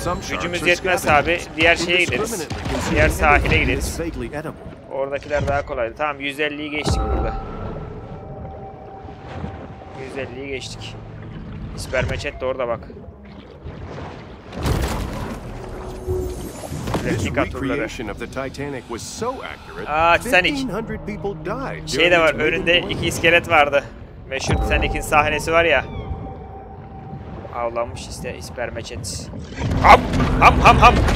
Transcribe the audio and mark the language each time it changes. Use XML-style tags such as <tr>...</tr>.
<tr>Gücümüz yetmez abi. Diğer şeye gideriz. Diğer sahile gideriz. Oradakiler daha kolaydı. Tamam, 150'yi geçtik burada. 150'yi geçtik. İspermeçet de orada bak.</tr> <en>This recreation of the Titanic was so accurate. 1500 people died.</en> <tr>Şey de var, önünde iki iskelet vardı. Meşhur Titanic'in sahnesi var ya. Avlanmış işte ispermeçet. Ham ham ham ham.</tr>